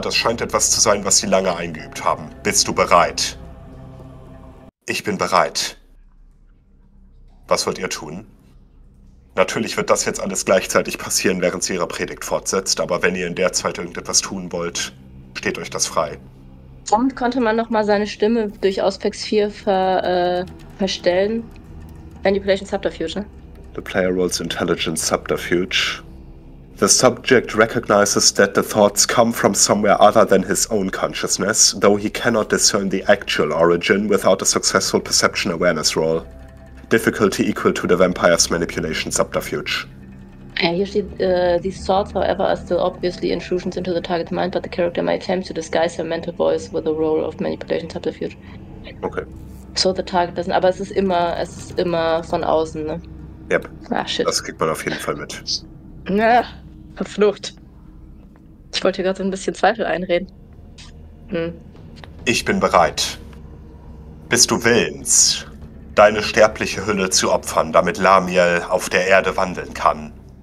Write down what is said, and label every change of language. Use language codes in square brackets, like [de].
[de] Das scheint etwas zu sein, was sie lange eingeübt haben. Bist du bereit? Ich bin bereit. Was wollt ihr tun? Natürlich wird das jetzt alles gleichzeitig passieren, während sie ihre Predigt fortsetzt. Aber wenn ihr in der Zeit irgendetwas tun wollt, steht euch das frei. Und konnte man nochmal seine Stimme durch Auspex 4 verstellen? Manipulation Subterfuge, ne? [en] The player rolls intelligence subterfuge. The subject recognizes that the thoughts come from somewhere other than his own consciousness, though he cannot discern the actual origin without a successful perception awareness roll. Difficulty equal to the vampire's manipulation subterfuge. [de] Ja, hier steht, [en] these thoughts, however, are still obviously intrusions into the target's mind, but the character may attempt to disguise her mental voice with a role of manipulation subterfuge. [de] Okay. [en] So the target doesn't, [de] aber es ist immer von außen, ne? [en] Yep. Ah, shit. [de] Das kriegt man auf jeden Fall mit. Na, ja, verflucht. Ich wollte gerade so ein bisschen Zweifel einreden. Ich bin bereit. Bist du willens, deine sterbliche Hülle zu opfern, damit Lamiel auf der Erde wandeln kann?